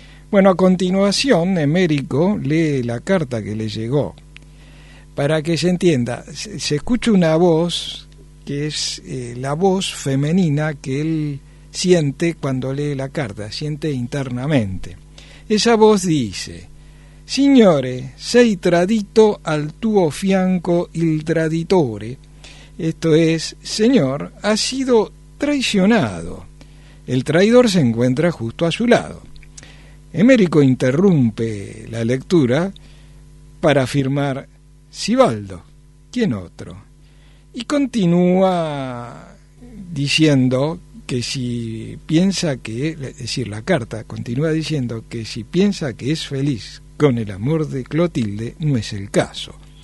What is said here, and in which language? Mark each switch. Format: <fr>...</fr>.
<es>Bueno, a continuación, Emérico lee la carta que le llegó. Para que se entienda, se escucha una voz que es la voz femenina que él siente cuando lee la carta, siente internamente.</es> <it>Esa voz dice: Signore, sei tradito al tuo fianco il traditore.</it> <es>Esto es, Señor, ha sido traicionado. El traidor se encuentra justo a su lado. Emérico interrumpe la lectura para afirmar, Sibaldo, ¿quién otro? Y continúa diciendo que si piensa que, es decir, la carta continúa diciendo que si piensa que es feliz con el amor de Clotilde, no es el caso.</es>